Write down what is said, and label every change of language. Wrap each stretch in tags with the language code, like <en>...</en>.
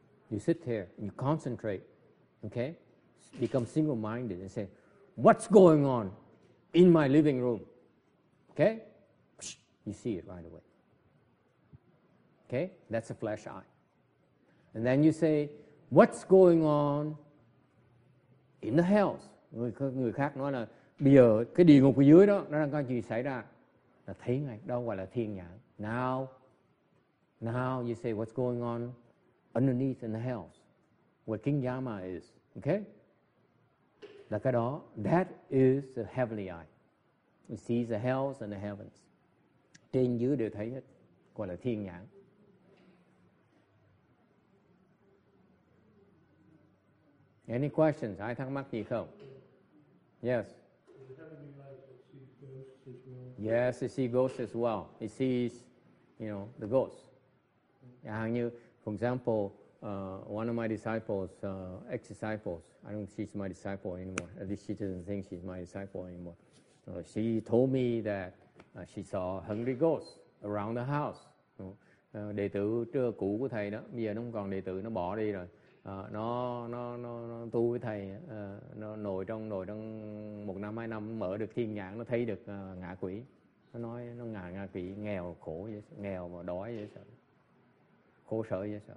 <en>You sit here, and you concentrate, okay, become single-minded and say, what's going on in my living room? Okay? You see it right away. Okay? That's a flesh eye. And then you say, what's going on in the house?</en> <vi>Người khác nói là, bây giờ cái địa ngục ở dưới đó, nó đang có gì xảy ra? Là thấy ngay, đâu gọi là thiên nhãn.</vi> <en>Now you say, what's going on underneath in the house? Where King Yama is. Okay?</en> <vi>Là cái đó,</vi> <en>that is the heavenly eye. It sees the hells and the heavens.</en> <vi>Trên dưới đều thấy hết. Gọi là thiên nhãn.</vi> <en>Any questions?</en> <vi>Ai thắc mắc gì không?</vi> <en>Yes. Yes, it sees ghosts as well. It sees, you know, the ghosts.</en> <vi>Hàng như,</vi> <en>for example, one of my disciples, ex-disciples, I don't think she's my disciple anymore. At least she doesn't think she's my disciple anymore. She told me that she saw hungry ghosts around the house.</en> <vi>Đệ tử trưa cũ của thầy đó, bây giờ nó không còn đệ tử, nó bỏ đi rồi. Nó tu với thầy, nó nổi trong một năm, hai năm, mở được thiên nhãn, nó thấy được ngạ quỷ. Nó nói nó ngạ quỷ, nghèo, khổ, nghèo và đói, khổ sở.</vi>